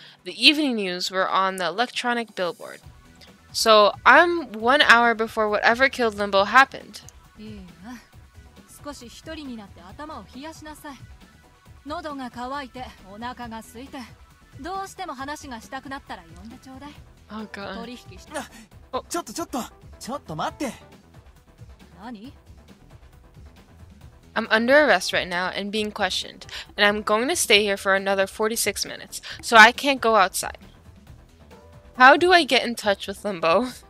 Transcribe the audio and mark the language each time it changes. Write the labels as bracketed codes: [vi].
[en] The evening news were on the electronic billboard. So I'm 1 hour before whatever killed Limbo happened. [ja] いいな。少し一人になって頭を冷やしなさい。喉が渇いてお腹が空いて。どうしても話がしたくなったら呼んでちょうだい。ちょっと待って。何? [en] I'm under arrest right now and being questioned, and I'm going to stay here for another 46 minutes, so I can't go outside. How do I get in touch with Limbo?